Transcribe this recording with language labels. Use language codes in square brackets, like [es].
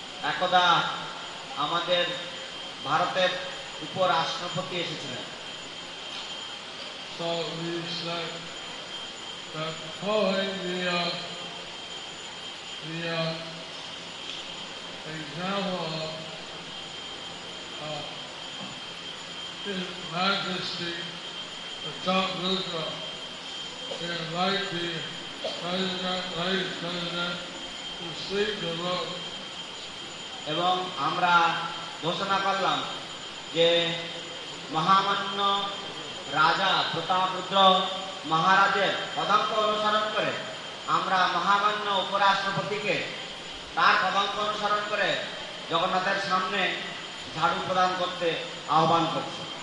[bn] একদা আমাদের ভারতের উপরাষ্ট্রপতি এসেছিলেন, [en] So he said that following the example of His Majesty the Top Rudra, he invited the President, Vice President, to seek the Lord. [bn] এবং আমরা ঘোষণা করলাম যে মহামান্য রাজা প্রতাপ রুদ্র মহারাজের পদাঙ্ক অনুসরণ করে আমরা মহামান্য উপরাষ্ট্রপতিকে তার পদাঙ্ক অনুসরণ করে জগন্নাথের সামনে ঝাড়ু প্রদান করতে আহ্বান করছি।